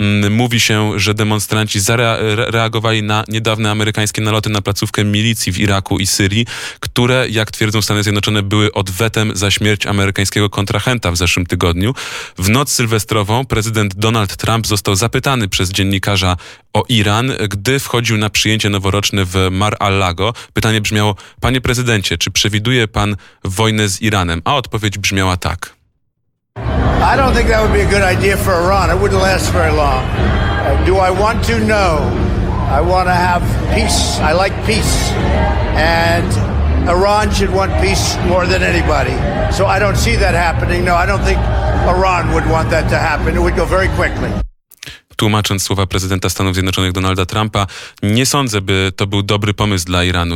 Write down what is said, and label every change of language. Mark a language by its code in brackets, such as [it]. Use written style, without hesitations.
[pl] Mówi się, że demonstranci zareagowali na niedawne amerykańskie naloty na placówkę milicji w Iraku i Syrii, które, jak twierdzą Stany Zjednoczone, były odwetem za śmierć amerykańskiego kontrahenta w zeszłym tygodniu. W noc sylwestrową prezydent Donald Trump został zapytany przez dziennikarza o Iran, gdy wchodził na przyjęcie noworoczne w Mar-a-Lago. Pytanie brzmiało: panie prezydencie, czy przewiduje pan wojnę z Iranem? A odpowiedź brzmiała tak. [en] I don't think that would be a good idea for Iran. It wouldn't last very long. Do I want to? No. I want to have peace. I like peace. And Iran should want peace more than anybody. So I don't see that happening. No, I don't think Iran would want that to happen. It would go very quickly. [pl] Tłumacząc słowa prezydenta Stanów Zjednoczonych Donalda Trumpa, nie sądzę, by to był dobry pomysł dla Iranu.